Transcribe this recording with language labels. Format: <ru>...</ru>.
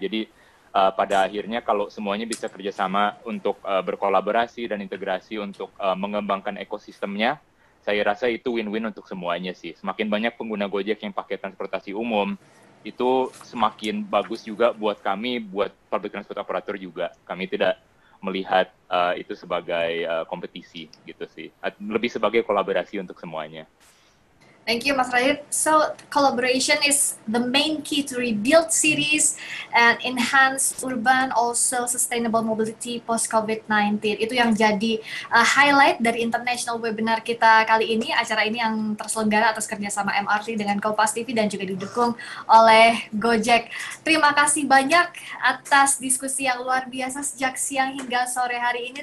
<id>Jadi pada akhirnya kalau semuanya bisa kerjasama untuk berkolaborasi dan integrasi untuk mengembangkan ekosistemnya, saya rasa itu win-win untuk semuanya sih. Semakin banyak pengguna Gojek yang pakai transportasi umum, itu semakin bagus juga buat kami, buat public transport operator juga. Kami tidak melihat itu sebagai kompetisi gitu sih, lebih sebagai kolaborasi untuk semuanya.</id> <en>Thank you, Mas Rahid. So, collaboration is the main key to rebuild cities and enhance urban, also sustainable mobility post-COVID-19.</en> <id>Itu yang jadi highlight dari international webinar kita kali ini. Acara ini yang terselenggara atas kerjasama MRT dengan Kompas TV dan juga didukung oleh Gojek. Terima kasih banyak atas diskusi yang luar biasa sejak siang hingga sore hari ini.</id>